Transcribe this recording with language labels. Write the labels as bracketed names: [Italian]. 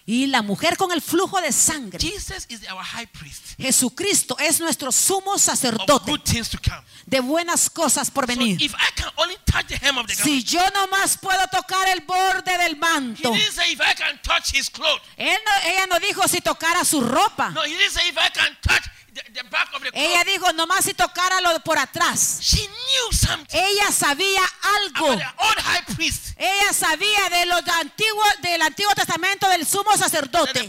[Spanish] Y la mujer con el flujo de sangre. [English] Jesus is our high priest. [Spanish] Jesucristo es nuestro sumo sacerdote. [English] Of good things to come. [Spanish] De buenas cosas por venir. [English] So if I can only touch the hem of the garment. [Spanish] Si yo nomás puedo tocar el borde del manto. [English] He didn't say if I can touch his clothes. [Spanish] Ella no dijo si tocara su ropa. [English] No, he didn't say if I can touch the back of the cloth. [Spanish] Ella dijo nomás si tocara lo por atrás. [English] She knew something. [Spanish] Ella sabía algo. [English] About the old high priest. [Spanish] Ella sabía de los antiguos del Antiguo Testamento del sumo sacerdote.